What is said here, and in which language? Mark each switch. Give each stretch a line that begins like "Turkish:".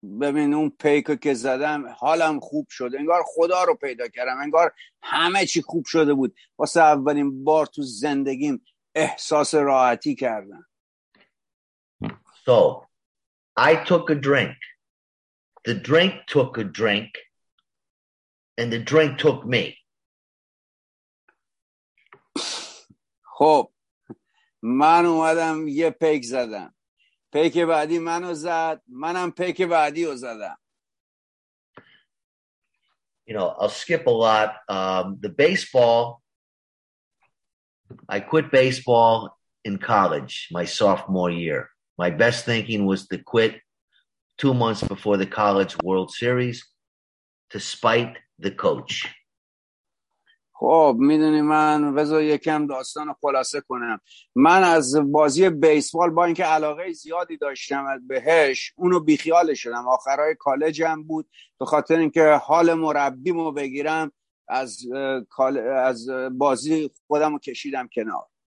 Persian: ببین اون پیکو که زدم حالم خوب شد، انگار خدا رو پیدا کردم، انگار همه چی خوب شده بود. واسه اولین بار تو زندگیم احساس راحتی کردم.
English: So I took a drink. The drink took a drink, and the drink took me.
Persian: خب من اومدم یه پیک زدم، پیک بعدی منو زد، منم پیک بعدی رو زدم.
English: You know, I'll skip a lot. The baseball, I quit baseball in college, my sophomore year. My best thinking was to quit 2 months before the college World Series to spite the coach.
Persian: خب میدونی من بذار یکم داستانو خلاصه کنم. من از بازی بیسبال با اینکه علاقه زیادی داشتم بهش، اونو بیخیال شدم. آخرهای کالجم بود، به خاطر اینکه حال مربیمو بگیرم از بازی خودمو کشیدم کنار.